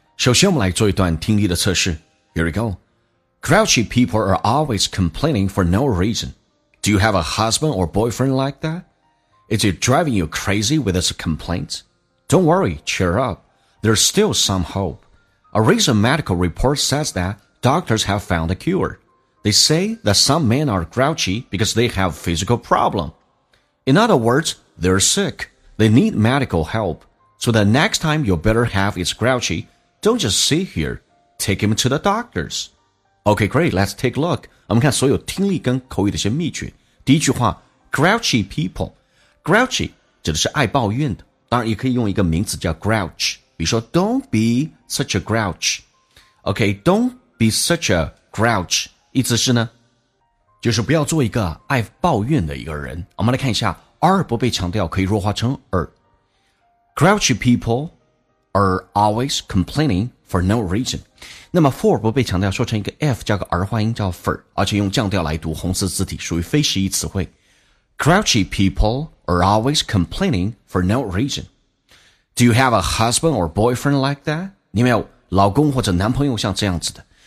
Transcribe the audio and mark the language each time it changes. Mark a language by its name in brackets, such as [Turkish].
[Chinese] 首先我们来做一段听力的测试。 [English] Here we go. Grouchy people are always complaining for no reason. Do you have a husband or boyfriend like that? Is it driving you crazy with his complaints? Don't worry, cheer up. There's still some hope. A recent medical report says that doctors have found a cure. They say that some men are grouchy because they have physical problem. In other words, they're sick. They need medical help. So the next time your better half is grouchy, don't just sit here. Take him to the doctors. Okay, great. Let's take a look. [Chinese] 我们看所有听力跟口语的一些秘诀。第一句话 , [English] grouchy people. [Chinese] Grouchy 指的是爱抱怨的。当然也可以用一个名词叫 grouch. 比如说 [English] don't be such a grouch. Okay, don't be such a grouch. [Chinese] 意思是呢就是不要做一个爱抱怨的一个人。我们来看一下R 不被强调可以弱化成 R. [English] Grouchy people are always complaining for no reason. [Chinese] 那么 for 不被强调说成一个 F 加个 R 化音叫 for, 而且用降调来读红色字体属于非时宜词汇。 [English] Grouchy people are always complaining for no reason. Do you have a husband or boyfriend like that? [Chinese] 你没有老公或者男朋友像这样子的。